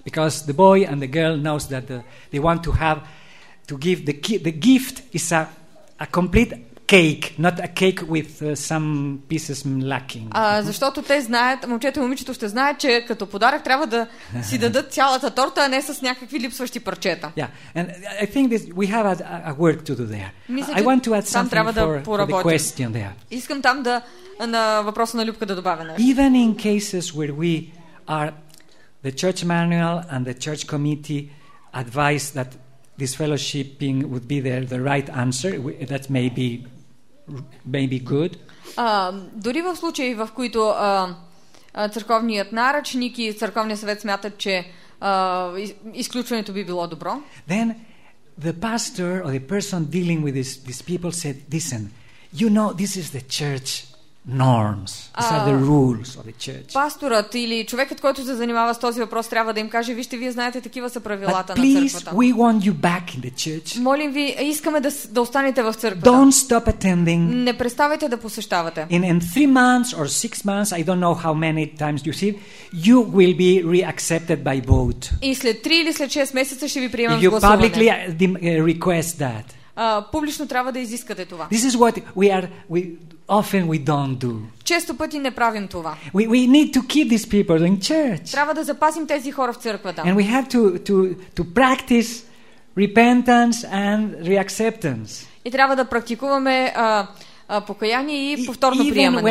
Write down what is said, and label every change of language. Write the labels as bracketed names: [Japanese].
[English] Because the boy and the girl knows that they want to have to give the gift is a complete cake, not a cake with some pieces lacking. [Bulgarian] Защото те знаят, момчето и момичето ще знаят, че като подарък трябва да си дадат цялата торта, а не с някакви липсващи парчета. [English] Yeah, and I think this, we have a work to do there. [Bulgarian] Мисля, [English] I want to add something the question there. [Bulgarian] Искам там да на въпроса на Любка да добавя нещо. [English] Even in cases where we are the church manual and the church committee advise that this fellowshipping would be the right answer. That may be maybe good. [Bulgarian] Дори в случаи, в които църковният наръчник и църковният съвет смятат, че изключването би било добро. [English] Then the pastor or the person dealing with these people said, "Listen, you know this is the church norms. These are the rules of the church." [Bulgarian] Пасторът или човекът, който се занимава с този въпрос, трябва да им каже: "Вижте, вие знаете, такива са правилата на църквата." [English] Please, we want you back in the church. [Bulgarian] Молим ви, искаме да останете в църквата. [English] Don't stop attending. [Bulgarian] Не преставайте да посещавате. [English] In 3 months or 6 months, I don't know how many times you see, you will be reaccepted by boat. [Bulgarian] И след 3 или след 6 месеца ще ви приемам в гласуване. [English] You publicly request that. [Bulgarian] Публично трябва да изискате това. [English] This is what we often we don't do. [Bulgarian] Често пъти не правим това. [English] We need to keep these people in church. [Bulgarian] Трябва да запазим тези хора в църквата. [English] And we have to practice repentance and reacceptance. [Bulgarian] И трябва да практикуваме покаяние и повторно приемане.